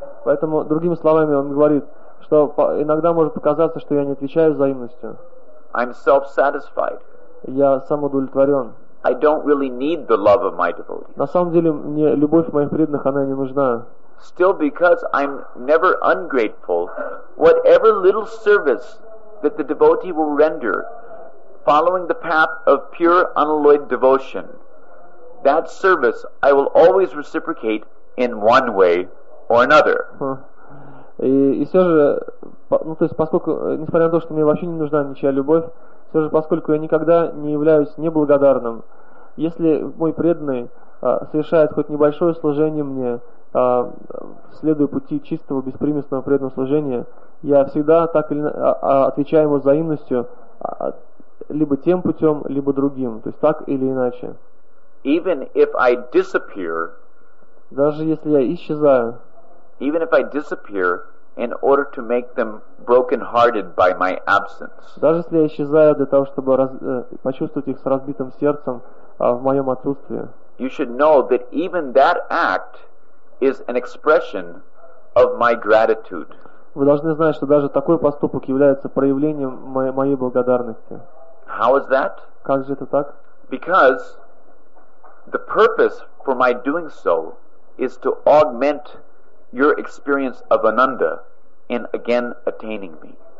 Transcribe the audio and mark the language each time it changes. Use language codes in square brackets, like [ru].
[ru] Поэтому, другими словами, он говорит, что иногда может показаться, что я не отвечаю взаимностью. [en] I'm self-satisfied. [ru] Я самоудовлетворен. [en] I don't really need the love of my devotees. [ru] На самом деле, мне любовь моих преданных, она не нужна. [en] Still, because I'm never ungrateful, whatever little service that the devotee will render following the path of pure unalloyed devotion, that service I will always reciprocate in one way or another. [ru] И все же, ну то есть поскольку, несмотря на то, что мне вообще не нужна ничья любовь, все же поскольку я никогда не являюсь неблагодарным, если мой преданный совершает хоть небольшое служение мне, следуя пути чистого, беспримесного преданного служения, я всегда так или отвечаю ему взаимностью либо тем путем, либо другим, то есть так или иначе. [en] Even if I disappear, [ru] даже если я исчезаю, [en] even if I disappear in order to make them broken-hearted by my absence, [ru] даже если я исчезаю для того, чтобы почувствовать их с разбитым сердцем в моем отсутствии, [en] you should know that even that act is an expression of my gratitude. [ru] Вы должны знать, что даже такой поступок является проявлением моей благодарности. [en] How is that? [ru] Как же это так? [en] Because the purpose for my doing so is to augment your experience of Ananda in again attaining me.